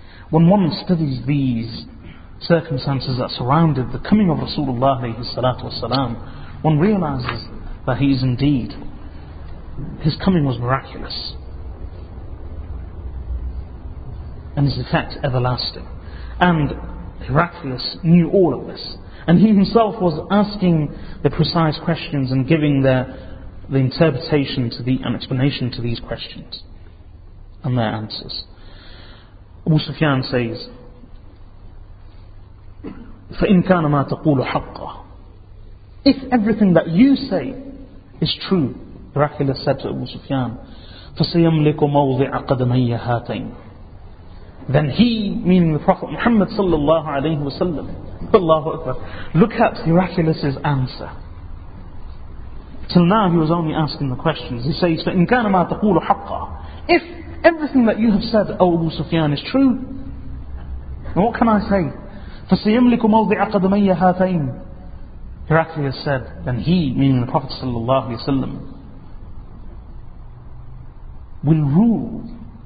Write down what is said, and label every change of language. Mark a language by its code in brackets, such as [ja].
[en] When one studies these circumstances that surrounded the coming of Rasulullah alayhi salatu wasalam, one realizes that he is indeed, his coming was miraculous and his effect everlasting. And Heraclius knew all of this, and he himself was asking the precise questions and giving the interpretation to the and explanation to these questions and their answers. [ar] Abu Sufyan [en] says, [ar] فَإِنْ كَانَ مَا تَقُولُ حَقَّ. [en] If everything that you say is true, Heraclius said to Abu Sufyan, [ar] فَسَيَمْلِكُ مَوْضِعَ قَدَمَيَّ هَاتَيْنِ. [en] Then he, meaning the Prophet Muhammad sallallahu alayhi wa sallam, Allahu Akbar, look at Heraclius' answer. Till now he was only asking the questions. He says, [ar] فَإِنْ كَانَ مَا تَقُولُ حَقَّ. [en] If everything that you have said, O Abu Sufyan, is true, then what can I say? [ar] فَسَيَمْلِكُ مَوْضِعَ قَدَمَيَّ هَاتَيْنِ. [en] Heraclius said, then he, meaning the Prophet sallallahu alayhi wa sallam, will rule.